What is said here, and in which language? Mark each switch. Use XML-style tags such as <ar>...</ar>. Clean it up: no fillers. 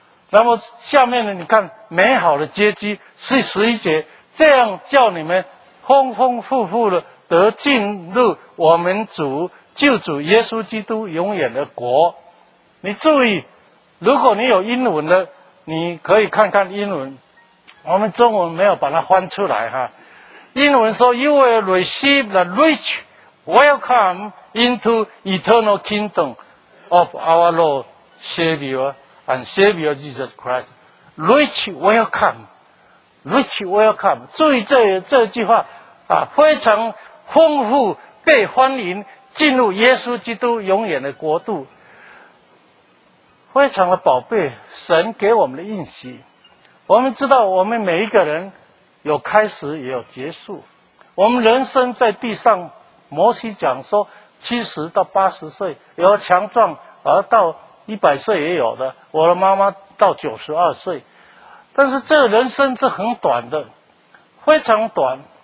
<zh>那么下面呢，你看美好的结局是十一节，这样叫你们丰丰富富的得进入我们主救主耶稣基督永远的国。你注意，如果你有英文的，你可以看看英文，我们中文没有把它翻出来哈。英文说</zh> <en>You will receive the rich welcome into eternal kingdom of our Lord Savior and Savior Jesus Christ. Rich welcome. Rich welcome.</en> <zh>注意这句话啊，非常丰富，被欢迎进入耶稣基督永远的国度。非常的宝贝，神给我们的应许。我们知道我们每一个人有开始也有结束，我们人生在地上，摩西讲说70到80岁，有强壮而到100岁也有的，我的妈妈到92岁，但是这个人生是很短的，非常短。</zh>